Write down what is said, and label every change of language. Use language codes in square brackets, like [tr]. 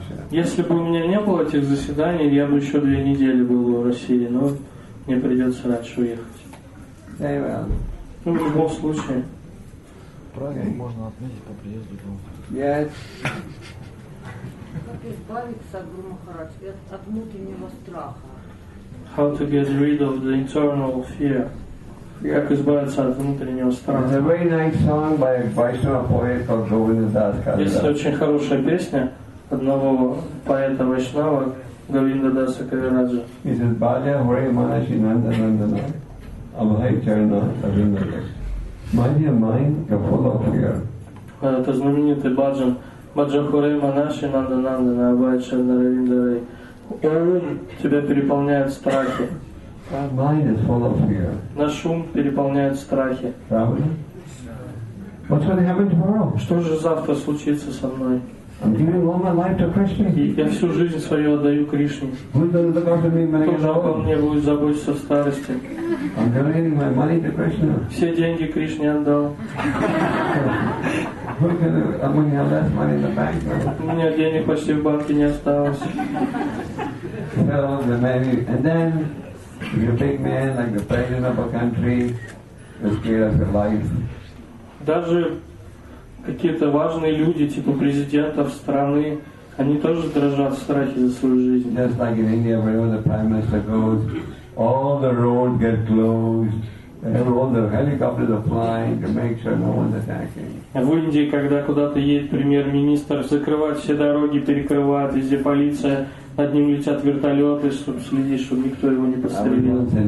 [ru] Если бы у меня не было этих заседаний, я бы еще 2 недели был в России, но мне придется раньше уехать. [en] Yeah, well. [ru] Ну, в любом случае. Праздник можно отметить по приезду дома. [en] Yes. [ru] Как избавиться от Гуру Махарадж, от внутреннего страха? [en] How to get rid of the internal fear? Yeah. [ru] Как избавиться от внутреннего страха? [en] There's a very nice song by a Vaishnava poet called Govindadas Kalidas. [ru] Есть очень хорошая песня одного поэта Вайшнава Говиндадаса Кавираджа. [en] He says, [bn] "Bhaja Hare Manashi Nanda Nandana, Abhay Charna Govindadas." [en] Bhaja mind is full of fear. [ru] Это знаменитый баджан. [bn] Bhaja Hare Manashi Nanda Nandana, Abhay Charna Govindadas. [ru] Ум тебя переполняет страхи. [en] Our mind is full of fear. [ru] Наш ум переполняет страхи. [en] What's going to happen tomorrow? [ru] Что же завтра случится со мной? [en] I'm giving all my life to Krishna. [ru] Я всю жизнь свою отдаю Кришне. [en] Who's going to look after me when I get old? [ru] Кто обо мне будет заботиться в старости? [en] I'm donating my money to Krishna. [ru] Все деньги Кришне отдал. У меня денег почти в банке не осталось. [en] And then, if you're a big man, like the president of a country, you're scared of your life. [ru] Даже какие-то важные люди, типа президентов страны, они тоже дрожат в страхе за свою жизнь. [en] Just like in India, wherever the prime minister goes, all the roads get closed. All the helicopters are flying to make sure no one's attacking. [ru] В Индии, когда куда-то едет премьер-министр, закрывают все дороги, перекрывают, везде полиция, над ним летят вертолеты, чтобы следить, чтобы никто его не подстрелил.